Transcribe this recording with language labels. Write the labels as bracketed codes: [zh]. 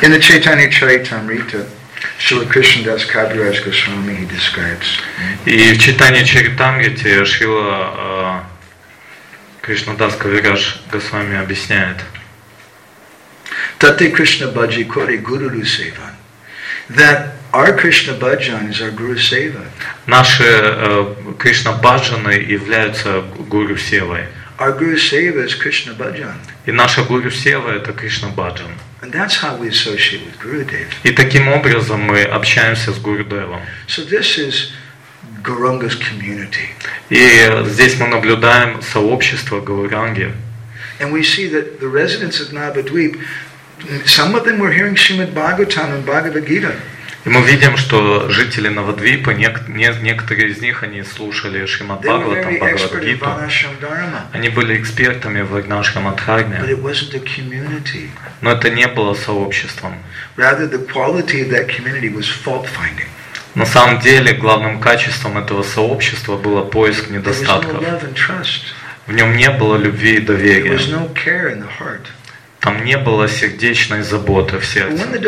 [en] In the Chaitanya Charitamrita, Шрила Кришна Дас Кавираджа Госвами, he describes. [ru] И в Чайтанья Чаритамрите Шрила Кришна Дас Кавирадж Госвами объясняет. [bn] Тате Кришна Баджи Кори Гуру Севан. [en] That our Krishna Bhajan is our Guru Seva. [ru] Наши Кришна Баджаны являются Гуру Севой. [en] Our Guru Seva is Krishna Bhajan. [ru] И наша Гуру Сева это Кришна Баджан. [en] And that's how we associate with Gurudev. [ru] И таким образом мы общаемся с Гурудевом. [en] So this is Gauranga's community. [ru] И здесь мы наблюдаем сообщество Гауранги. [en] And we see that the residents of Navadvip, some of them were hearing Srimad Bhagavatam and Bhagavad Gita. [ru] И мы видим, что жители Навадвипа, некоторые из них они слушали Шримад Бхагаватам, Бхагавад Гиту. Они были экспертами в Варнашрама Дхарме. [en] But it wasn't a community. [ru] Но это не было сообществом. [en] Rather, the quality of that community was fault-finding. [ru] На самом деле, главным качеством этого сообщества было поиск недостатков. [en] There was no love and trust. [ru] В нем не было любви и доверия. [en] There was no care in the heart. [ru] Там не было сердечной заботы в сердце.